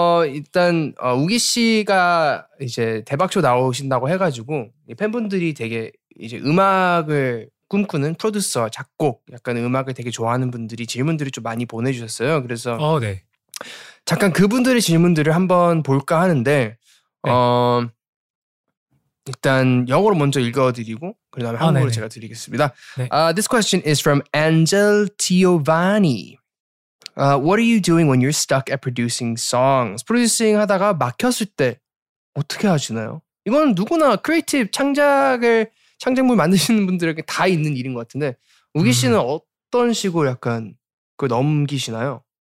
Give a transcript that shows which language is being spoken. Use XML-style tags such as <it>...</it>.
<ko>일단 우기 씨가 이제 대박쇼 나오신다고 해가지고 팬분들이 되게 이제 음악을 꿈꾸는 프로듀서 작곡 약간 음악을 되게 좋아하는 분들이 질문들을 좀 많이 보내주셨어요. 그래서 네. 잠깐 그분들의 질문들을 한번 볼까 하는데 네. 일단 영어로 먼저 읽어드리고 그 다음에 한국어로 제가 드리겠습니다. 네.</ko> <en>This question is from Angel Tiovani. What are you doing when you're stuck at producing songs?</en> <ko>프로듀싱 하다가 막혔을 때 어떻게 하시나요? 이건 누구나 크리에이티브 창작물 만드시는 분들에게 다 있는 일인 것 같은데 우기 씨는 어떤 식으로 약간 그걸 넘기시나요?</ko>